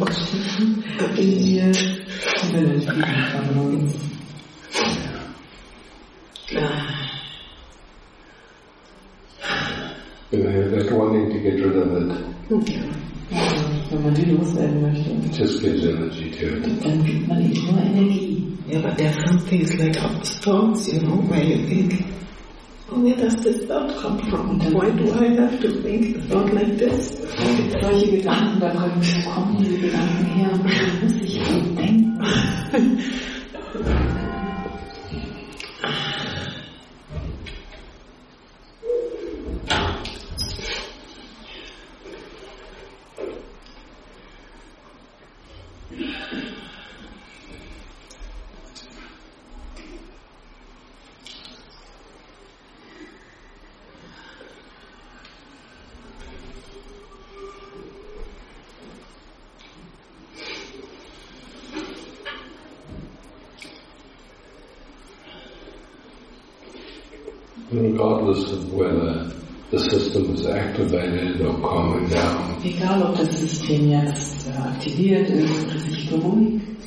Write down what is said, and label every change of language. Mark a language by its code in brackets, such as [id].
[en] that wanting to get rid of it. [de] Wenn man die loswerden möchte. [en] It just gives energy to it. [de] Dann gibt man nicht nur Energie. [en] Yeah, but there are some things like thoughts, you know, where you think, oh, where does this thought come from? Why do I have to think a thought like this? [de] Solche Gedanken, da kommen diese Gedanken her, muss ich denken. [en] Regardless of whether the system is activated or calming down. [de] Egal ob das System jetzt aktiviert ist oder sich beruhigt.